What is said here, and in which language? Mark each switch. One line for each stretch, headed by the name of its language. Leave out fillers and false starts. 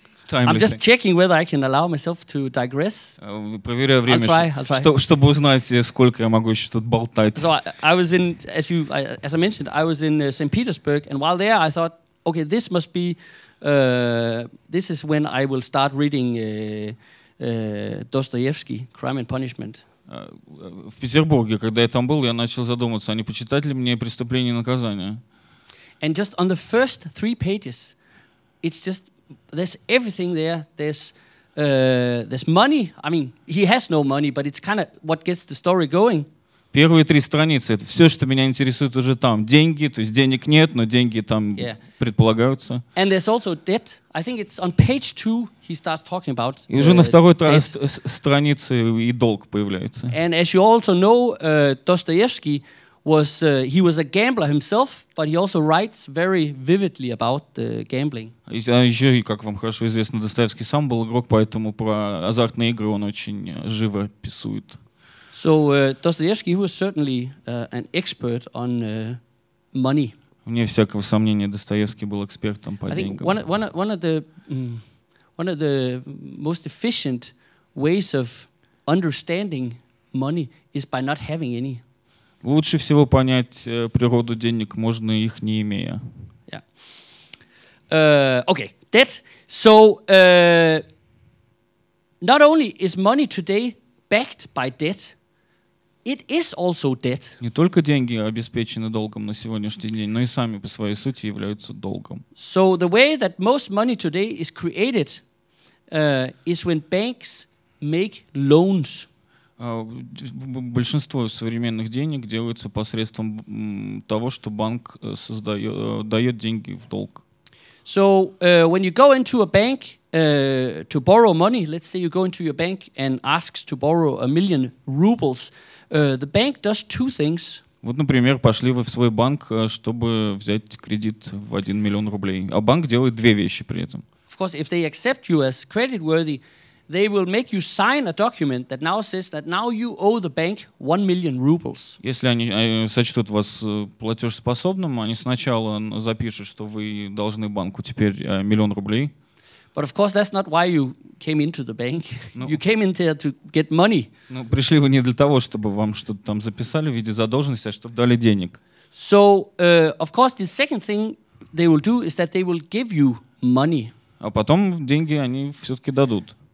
English: I'm just checking whether I can allow myself to digress.
Russian: Проверяю время.
English: I'll try.
Russian: Чтобы узнать, сколько я могу еще тут болтать.
English: So I was in St. Petersburg, and while there, I thought, okay, this must be this is when I will start reading Dostoevsky, Crime and Punishment.
Russian: В Петербурге, когда я там был, я начал задумываться, а не почитать ли мне «Преступление и наказание».
English: And just on the first three pages, it's just, there's everything there, there's money, I mean, he has no money, but it's kind of what gets the story going.
Russian: Первые три страницы, это все, что меня интересует уже там. Деньги, то есть денег нет, но деньги там yeah. предполагаются.
English: And there's also debt. I think it's on page two he starts talking about
Russian: И уже на второй странице и долг появляется.
English: And as you also know, Dostoevsky was, he was a gambler himself, but he also writes very vividly about gambling.
Russian: Еще, как вам хорошо известно, Достоевский сам был игрок, поэтому про азартные игры он очень живо писует.
English: So Dostoevsky, he was certainly an expert on money.
Russian: Вне всякого сомнения, Достоевский был экспертом по деньгам.
English: I think one of the most efficient ways of understanding money is by not having any.
Russian: Лучше всего понять природу денег можно их не имея.
English: Yeah. Okay. Debt. So not only is money today backed by debt, it is also debt.
Russian: Не только деньги обеспечены долгом на сегодняшний день, но и сами по своей сути являются долгом.
English: So the way that most money today is created is when banks make loans.
Russian: Большинство современных денег делается посредством того, что банк дает деньги в долг.
English: So when you go into a bank to borrow money, let's say you go into your bank and asks to borrow 1 million rubles, the bank does two things.
Russian: Вот, например, пошли вы в свой банк, чтобы взять кредит в 1 миллион рублей, а банк делает две вещи при этом.
English: Of course, if they accept you as creditworthy, they will make you sign a document that now says that now you owe the bank 1 million rubles.
Russian: Если они сочтут вас платежеспособным, они сначала запишут, что вы должны банку теперь 1 миллион рублей.
English: But of course, that's not why you came into the bank. You came in there to get money.
Russian: Ну, пришли вы не для того, чтобы вам что-то там записали в виде задолженности, а чтобы дали денег.
English: So, of course, the second thing they will do is that they will give you money.
Russian: А потом деньги они все-таки дадут.